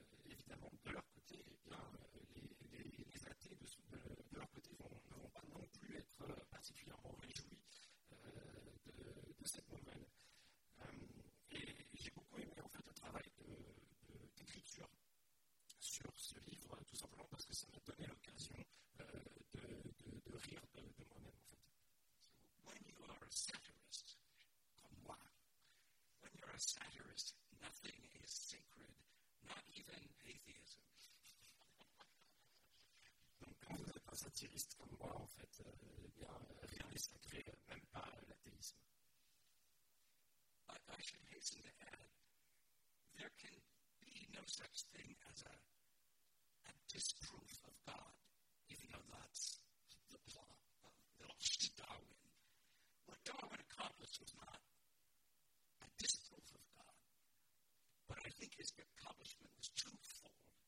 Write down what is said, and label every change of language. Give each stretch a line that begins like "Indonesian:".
French: Évidemment, de leur côté, eh bien, les athées de leur côté ne vont pas non plus être particulièrement réjouis de cette nouvelle. Et j'ai beaucoup aimé en fait le travail d'écriture sur ce livre, tout simplement parce que ça m'a donné l'occasion de rire de moi-même en fait.
English: When you are a satirist,
French: comme moi,
English: when you're a satirist, nothing is sacred, not even atheism.
French: Donc, quand vous êtes un satiriste comme moi, en fait, rien n'est sacré, même pas l'athéisme.
English: I should hasten to add, there can be no such thing as a disproof of God, even though that's the plot of Darwin. What Darwin accomplished was not a disproof of God, but I think his accomplishment was twofold.